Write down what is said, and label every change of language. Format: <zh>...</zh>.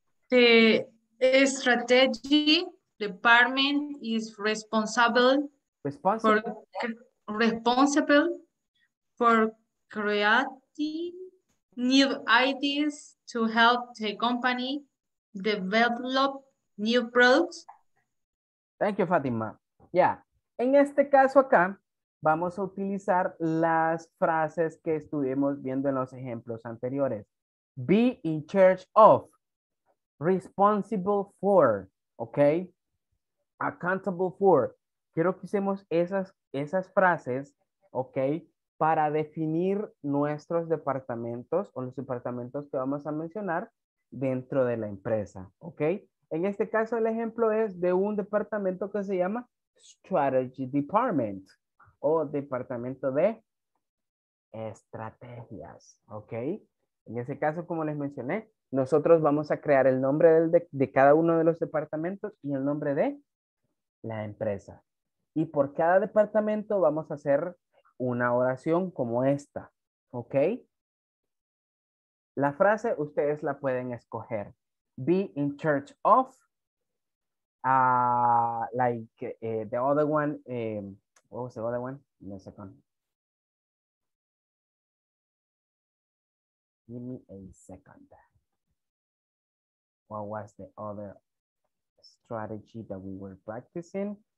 <en>The strategy department is responsible for creating new ideas to help the company develop new products. Thank you, Fatima. Yeah.</en> <es>En este caso acá, vamos a utilizar las frases que estuvimos viendo en los ejemplos anteriores.</es> <en>Be in charge of, responsible for, ok, accountable for.</en> <es>Quiero que usemos esas frases, ok, para definir nuestros departamentos o los departamentos que vamos a mencionar dentro de la empresa, ok. En este caso el ejemplo es de un departamento que se llama Strategy Department o Departamento de Estrategias, ok. En ese caso, como les mencioné, nosotros vamos a crear el nombre de cada uno de los departamentos y el nombre de la empresa. Y por cada departamento vamos a hacer una oración como esta, ¿ok? La frase ustedes la pueden escoger.</es> <en>Be in charge of, like the other one, what was the other one? In a second. Give me a second. What was the other strategy that we were practicing?</en>